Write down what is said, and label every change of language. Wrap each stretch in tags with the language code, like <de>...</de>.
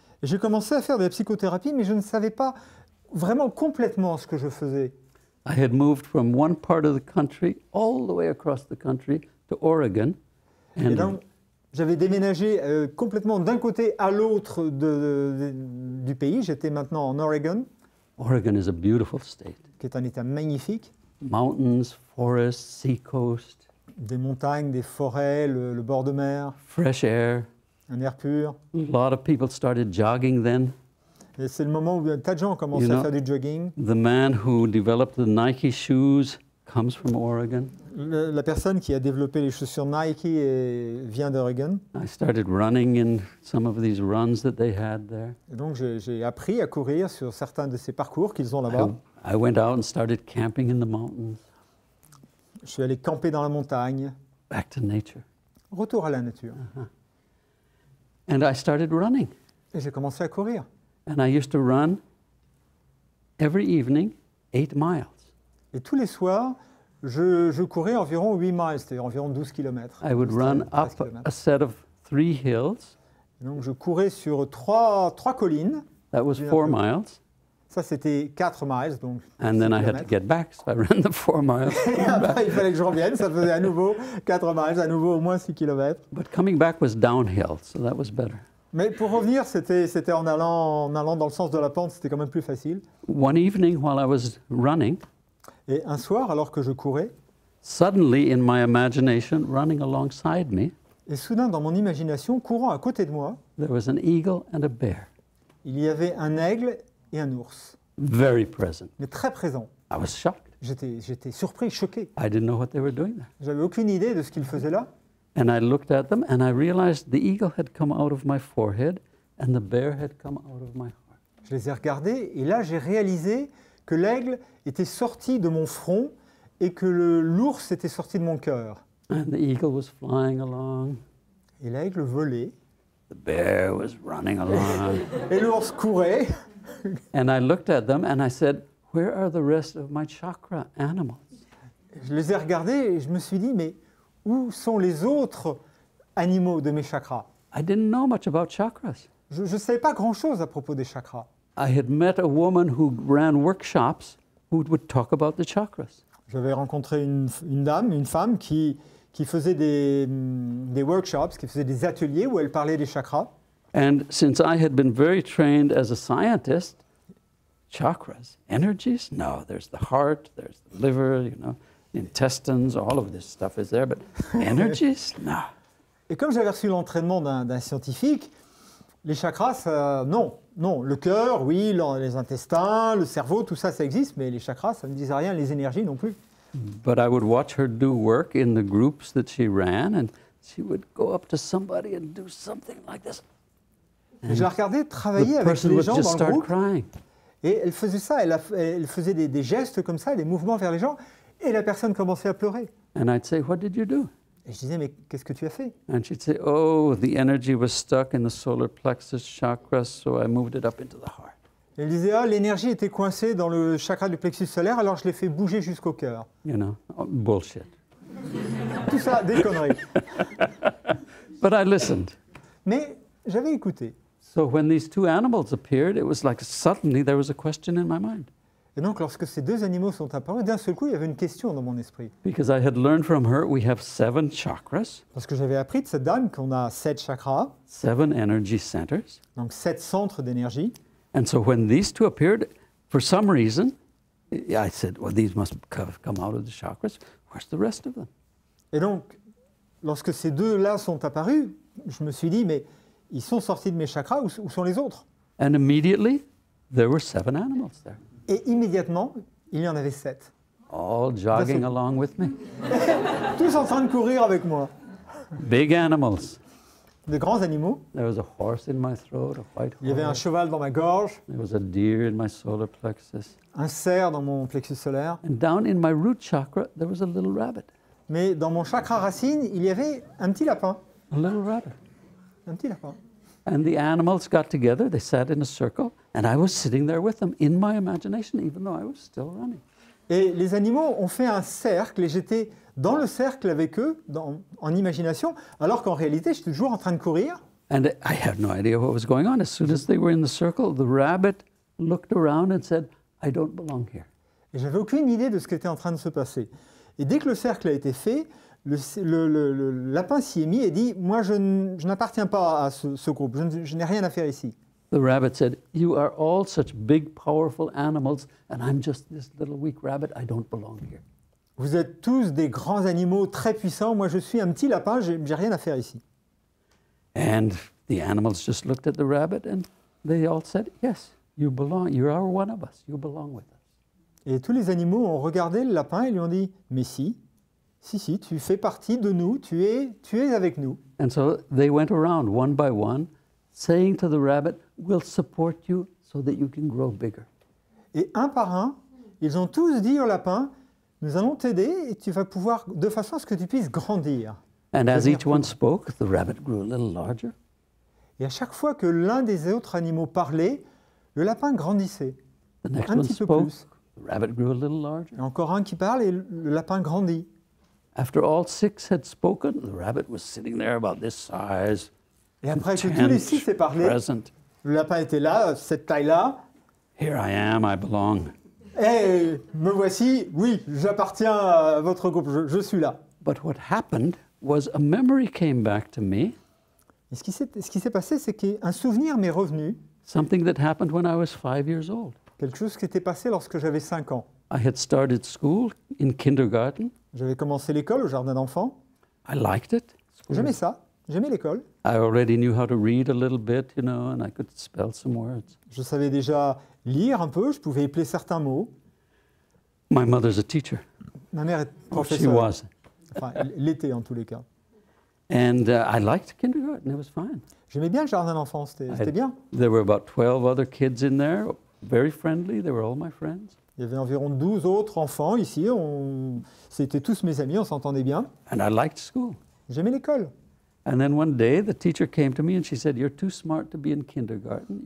<fr>Et j'ai commencé à faire de la psychothérapie, mais je ne savais pas vraiment complètement ce que je faisais.</fr> <en>I had moved from one part of the country all the way across the country to Oregon.</en> <fr>And donc, j'avais déménagé complètement d'un côté à l'autre du pays. J'étais maintenant en Oregon.</fr> <en>Oregon is a beautiful state.</en> <fr>Qui est un état magnifique.</fr> <en>Mountains, forests, sea coast.</en> <fr>Des montagnes, des forêts, le bord de mer.</fr> <en>Fresh air.</en> <fr>Un air pur.</fr> <en>A lot of people started jogging then.</en> <fr>Et c'est le moment où un tas de gens commencent à faire du jogging.</fr> <en>The man who developed the Nike shoes comes from Oregon.</en> <fr>La personne qui a développé les chaussures Nike vient d'Oregon.</fr> <en>I started running in some of these runs that they had there.</en> <fr>Et donc j'ai appris à courir sur certains de ces parcours qu'ils ont là-bas.</fr> <en>I went out and started camping in the mountains.</en> <fr>Je suis allé camper dans la montagne.</fr> <en>Back to nature.</en> <fr>Retour à la nature.</fr> <en>Uh-huh. And I started running.</en> <fr>Et j'ai commencé à courir.</fr> <en>And I used to run every evening 8 miles.</en> <fr>Et tous les soirs, je courais environ 8 miles, c'est-à-dire environ 12 kilomètres.</fr> <en>I would run up a set of 3 hills.</en> <fr>Et donc je courais sur trois collines.</fr> <en>That was 4 miles.</en> <fr>Ça c'était 4 miles, donc.</fr> <en>And then I had to get back, so I ran the 4 miles.</en> <fr>Il fallait que je revienne, ça faisait à nouveau 4 miles, à nouveau au moins 6 kilomètres.</fr> <en>But coming back was downhill, so that was better.</en> <fr>Mais pour revenir, c'était en allant dans le sens de la pente, c'était quand même plus facile.</fr> <en>One evening while I was running,</en> <fr>et un soir alors que je courais,</fr> <en>suddenly in my imagination running alongside me,</en> <fr>et soudain dans mon imagination courant à côté de moi,</fr> <en>there was an eagle and a bear.</en> <fr>Il y avait un aigle et un ours.</fr> <en>Very present.</en> <fr>Mais très présent.</fr> <en>I was shocked.</en> <fr>J'étais surpris, choqué.</fr> <en>I didn't know what they were doing there.</en> <fr>J'avais aucune idée de ce qu'ils faisaient là.</fr> <en>And I looked at them and I realized the eagle had come out of my forehead and the bear had come out of my heart.</en> <fr>Je les ai regardés et là j'ai réalisé que l'aigle était sorti de mon front et que l'ours était sorti de mon cœur.</fr> <en>And the eagle was flying along.</en> <fr>Et l'aigle volait.</fr> <en>The bear was running along.</en> <fr>Et l'ours courait.</fr> <en>And I looked at them and I said, where are the rest of my chakra animals?</en> <fr>Je les ai regardés et je me suis dit, mais où sont les autres animaux de mes chakras?</fr> <en>I didn't know much about chakras.</en> <fr>Je ne savais pas grand-chose à propos des chakras.</fr> <en>I had met a woman who ran workshops who would talk about the chakras.</en> <fr>J'avais rencontré une femme qui faisait des workshops, qui faisait des ateliers où elle parlait des chakras.</fr> <en>And since I had been very trained as a scientist, chakras, energies? No, there's the heart, there's the liver, you know, intestines, all of this stuff is there, but energies? No.</en> <fr>Et comme j'avais reçu l'entraînement d'un scientifique, les chakras, ça, non. Le cœur, oui, les intestins, le cerveau, tout ça, ça existe, mais les chakras, ça ne disait rien, les énergies non plus.</fr> <en>But I would watch her do work in the groups that she ran, and she would go up to somebody and do something like this.</en> <fr>Et je la regardais travailler avec les gens dans le groupe.</fr> <en>Start crying.</en> <fr>Et elle faisait ça, elle faisait des gestes comme ça, des mouvements vers les gens, et la personne commençait à pleurer.</fr> <en>And I'd say, what did you do?</en> <fr>Et je disais, mais qu'est-ce que tu as fait?</fr> <en>And she'd say, oh, the energy was stuck in the solar plexus chakra, so I moved it up into the heart.</en> <fr>Elle disait, ah, l'énergie était coincée dans le chakra du plexus solaire, alors je l'ai fait bouger jusqu'au cœur.</fr> <en>You know, bullshit.</en> <fr>Tout ça, des conneries.</fr> <en>But I listened.</en> <fr>Mais j'avais écouté.</fr> <en>So when these two animals appeared, it was like suddenly there was a question in my mind.</en> <fr>Et donc, lorsque ces deux animaux sont apparus, d'un seul coup, il y avait une question dans mon esprit.</fr> <en>Because I had learned from her, we have 7 chakras.</en> <fr>Parce que j'avais appris de cette dame qu'on a 7 chakras.</fr> <en>7 energy centers.</en> <fr>Donc, 7 centres d'énergie.</fr> <en>And so when these two appeared, for some reason, I said, well, these must have come out of the chakras. Where's the rest of them?</en> <fr>Et donc, lorsque ces deux-là sont apparus, je me suis dit, mais ils sont sortis de mes chakras, où sont les autres?</fr> <en>And immediately, there were 7 animals there.</en> <fr>Et immédiatement, il y en avait 7.</fr> <en>All jogging along with me.</en> <fr>Tous en train de courir avec moi.</fr> <en>Big animals.</en> <fr>De grands animaux.</fr> <en>There was a horse in my throat, a white horse.</en> <fr>Il y avait un cheval dans ma gorge.</fr> <en>There was a deer in my solar plexus.</en> <fr>Un cerf dans mon plexus solaire.</fr> <en>And down in my root chakra, there was a little rabbit.</en> <fr>Mais dans mon chakra racine, il y avait un petit lapin.</fr> <en>A little rabbit.</en> <fr>Un petit lapin.</fr> <en>And the animals got together, they sat in a circle, and I was sitting there with them in my imagination, even though I was still running.</en> <fr>Et les animaux ont fait un cercle, et j'étais dans le cercle avec eux, dans, en imagination, alors qu'en réalité, j'étais toujours en train de courir.</fr> <en>And I had no idea what was going on. As soon as they were in the circle, the rabbit looked around and said, I don't belong here.</en> <fr>Et j'avais aucune idée de ce qui était en train de se passer. Et dès que le cercle a été fait, le lapin s'y est mis et dit, moi, je n'appartiens pas à ce groupe, je n'ai rien à faire ici.</fr> <en>The rabbit said, you are all such big, powerful animals, and I'm just this little weak rabbit, I don't belong here.</en> <fr>Vous êtes tous des grands animaux très puissants. Moi, je suis un petit lapin. J'ai rien à faire ici.</fr> <en>And the animals just looked at the rabbit, and they all said, "Yes, you belong. You are one of us. You belong with us."</en> <fr>Et tous les animaux ont regardé le lapin et lui ont dit, "Mais si, si, si, tu fais partie de nous. Tu es avec nous."</fr> <en>And so they went around one by one, saying to the rabbit, "We'll support you so that you can grow bigger."</en> <fr>Et un par un, ils ont tous dit au lapin, nous allons t'aider et tu vas pouvoir, de façon à ce que tu puisses grandir.</fr> <en>And as each one spoke, the rabbit grew a little larger.</en> <fr>Et à chaque fois que l'un des autres animaux parlait, le lapin grandissait.</fr> <en>The next</en> <fr>un</fr> <en>one</en> <fr>petit</fr> <en>spoke,</en> <fr>peu plus.</fr> <en>The rabbit grew a little larger.</en> <fr>Et encore un qui parle et le lapin grandit.</fr> <en>After all six had spoken, the rabbit was sitting there about this size.</en> <fr>Et après que tous les six aient parlé,</fr> <en>present.</en> <fr>Le lapin était là, cette taille-là.</fr> <en>Here I am, I belong.</en> <fr>Eh, hey, me voici, oui, j'appartiens à votre groupe, je suis là.</fr> <en>But what happened was a memory came back to me.</en> <fr>Et ce qui s'est passé, c'est qu'un souvenir m'est revenu.</fr> <en>Something that happened when I was 5 years old.</en> <fr>Quelque chose qui était passé lorsque j'avais 5 ans.</fr> <en>I had started school in kindergarten.</en> <fr>J'avais commencé l'école au jardin d'enfants.</fr> <en>I liked it.</en> <fr>J'aimais ça. J'aimais l'école.</fr> <en>I already knew how to read a little bit, you know, and I could spell some words.</en> <fr>Je savais déjà lire un peu, je pouvais épeler certains mots.</fr> <en>My mother's a teacher.</en> <fr>Ma mère est professeure.</fr> <en>Oh, she was.</en> <fr>Enfin, l'était en tous les cas.</fr> <en>And I liked kindergarten, it was fine.</en> <fr>J'aimais bien le jardin d'enfants, c'était bien.</fr> <en>There were about 12 other kids in there, very friendly, they were all my friends.</en> <fr>Il y avait environ 12 autres enfants ici, c'était tous mes amis, on s'entendait bien.</fr> <en>And I liked school.</en> <fr>J'aimais l'école.</fr> <en>And then one day, the teacher came to me and she said, you're too smart to be in kindergarten.</en>